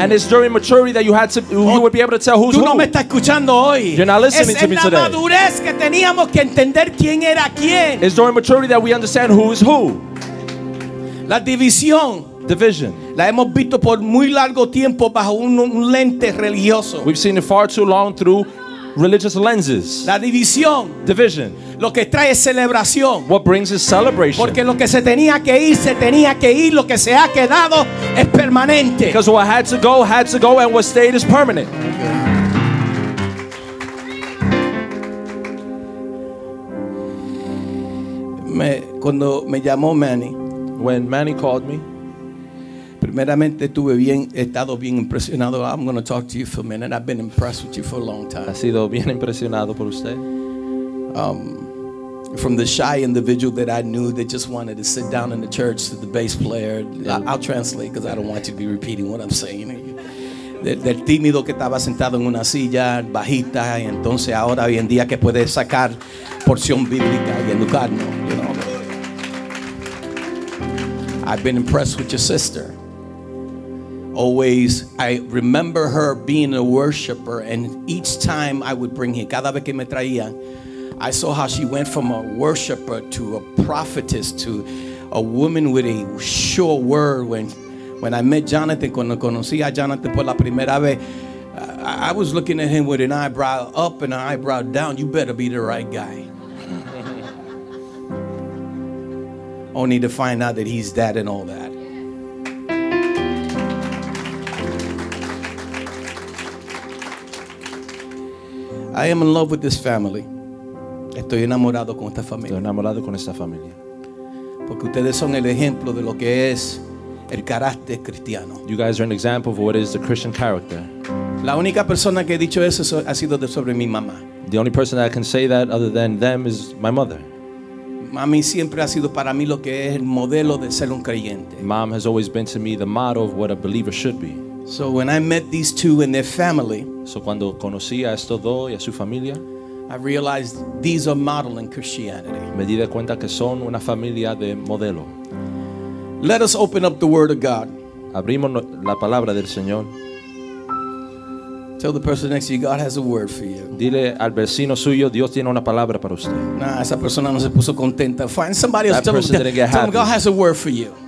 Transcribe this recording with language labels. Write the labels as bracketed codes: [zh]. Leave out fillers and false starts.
[en] And it's during maturity that you would be able to tell who's [es] tú [en] who. [es] No me estás escuchando hoy. [en] You're not listening to me today. [es] Es en la madurez que teníamos que entender quién era quién. [en] It's during maturity that we understand who is who. [es] La división. [en] Division. [es] La hemos visto por muy largo tiempo bajo un lente religioso. [en] We've seen it far too long through religious lenses. [es] La división. [en] Division. [es] Lo que trae es celebración. [en] What brings is celebration. [es] Porque lo que se tenía que ir, se tenía que ir. Lo que se ha quedado es permanente. [en] Because what had to go, and what stayed is permanent. [es] Cuando me llamó Manny. [en] When Manny called me. [es] Primeramente estuve bien, he estado bien impresionado. [en] I'm going to talk to you for a minute. I've been impressed with you for a long time. [es] Ha sido bien impresionado por usted. [en] From the shy individual that I knew that just wanted to sit down in the church to the bass player. I'll translate because I don't want you to be repeating what I'm saying. [es] Del tímido que estaba sentado en una silla bajita y entonces ahora hoy en día que puede sacar porción bíblica y educarnos. [en] You know. I've been impressed with your sister. Always, I remember her being a worshiper, and each time I would bring her, [es] cada vez que me traía, [en] I saw how she went from a worshiper to a prophetess to a woman with a sure word. When I met Jonathan, [es] cuando conocí a Jonathan por la primera vez, [en] I was looking at him with an eyebrow up and an eyebrow down. You better be the right guy. Only to find out that he's that and all that. I am in love with this family. [es] Estoy enamorado con esta familia. Estoy enamorado con esta familia. Porque ustedes son el ejemplo de lo que es el carácter cristiano. [en] You guys are an example of what is the Christian character. [es] La única persona que ha dicho eso ha sido sobre mi mamá. [en] The only person that can say that other than them is my mother. [es] Mami siempre ha sido para mí lo que es el modelo de ser un creyente. [en] Mom has always been to me the model of what a believer should be. So when I met these two and their family, [es] so cuando conocí a estos dos y a su familia, [en] I realized these are modeling Christianity. [es] Me di cuenta que son una familia de modelo. [en] Let us open up the Word of God. [es] Abrimos la palabra del Señor. [en] Tell the person next to you, God has a word for you. [es] Dile al vecino suyo, Dios tiene una palabra para usted. Nah, esa persona no se puso contenta. [en] Find somebody else. That person didn't get happy. Tell them God has a word for you.